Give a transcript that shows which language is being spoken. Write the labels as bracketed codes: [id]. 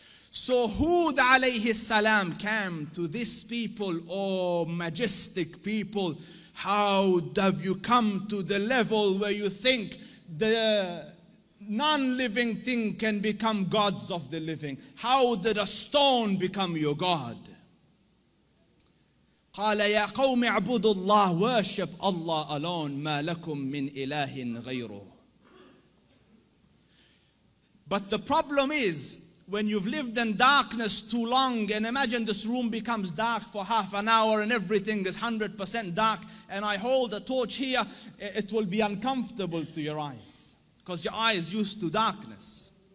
[en] So Hud alayhi salam came to this people, oh majestic people, how have you come to the level where you think the non-living thing can become gods of the living? How did a stone become your god? [ar] قَالَ يَا قَوْمِ اعْبُدُ اللَّهِ [en] Worship Allah alone. [ar] مَا لَكُم مِّنْ إِلَهٍ غَيْرُهُ [en] But the problem is, when you've lived in darkness too long, and imagine this room becomes dark for half an hour and everything is 100% dark, and I hold a torch here, it will be uncomfortable to your eyes, because your eye is used to darkness.